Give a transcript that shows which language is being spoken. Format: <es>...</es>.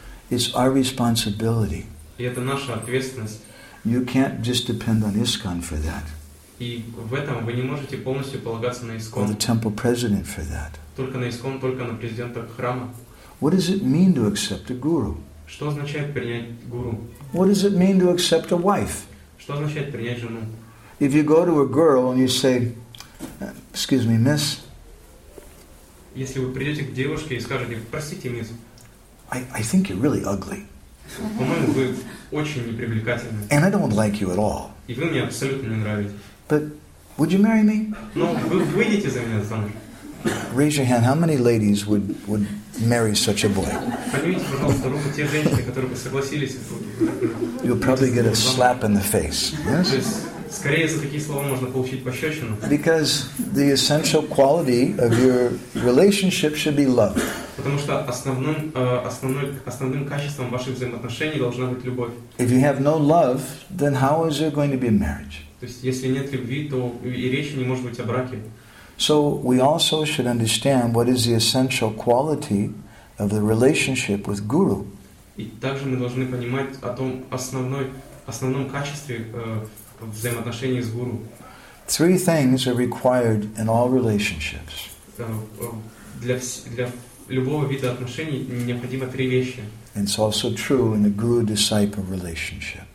<en>It's our responsibility. You can't just depend on ISKCON for that.</en> <ru>И в этом вы не можете полностью полагаться на ИСКОН.</ru> <en>The temple president for that.</en> <ru>Только на ИСКОН, только на президента храма.</ru> <en>What does it mean to accept a guru?</en> <ru>Что означает принять гуру?</ru> <en>What does it mean to accept a wife?</en> <ru>Что означает принять жену?</ru> <en>If you go to a girl and you say, excuse me, miss.</en> <ru>Если вы придете к девушке и скажете, простите, мисс.</ru> <en>I think you're really ugly.</en> <ru>По-моему, вы очень непривлекательны.</ru> <en>And I don't like you at all.</en> <ru>И вы мне абсолютно не нравитесь.</ru> <en>But would you marry me?</en> <ru>Но вы выйдете за меня замуж?</ru> <en>Raise your hand. How many ladies would marry such a boy?</en> <ru>Поднимите, пожалуйста, руку те женщины, которые бы согласились.</ru> <en>You'll probably get a slap in the face. Yes?</en> <ru>То есть, скорее за такие слова можно получить пощечину.</ru> <en>Because the essential quality of your relationship should be love.</en> <ru>Потому что основным качеством ваших взаимоотношений должна быть любовь.</ru> <en>If you have no love, then how is there going to be a marriage?</en> <ru>То есть, если нет любви, то и речи не может быть о браке.</ru> <en>So we also should understand what is the essential quality of the relationship with guru.</en> <ru>И также мы должны понимать о том основном качестве взаимоотношений с гуру.</ru> <en>Three things are required in all relationships.</en> <ru>Для любого вида отношений необходимо три вещи.</ru> <en>It's also true in a guru-disciple relationship.</en>